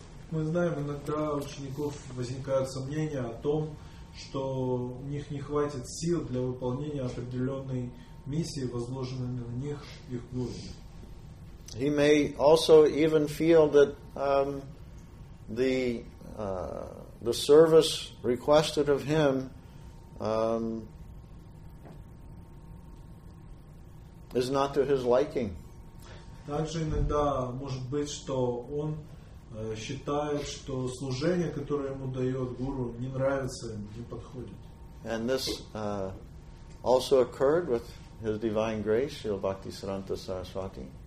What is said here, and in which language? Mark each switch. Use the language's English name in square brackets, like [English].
[Russian] Мы знаем, иногда у учеников возникают сомнения о том, что у них не хватит сил для выполнения определенной миссии, возложенной на них их гуру. [English] He may also even feel that the service requested of him is not to his liking. [Russian] Также иногда может быть, что он считает, что служение, которое ему дает гуру, не нравится, не подходит. [English] And this also occurred with his divine grace, Śrīla Bhaktisiddhānta Sarasvati.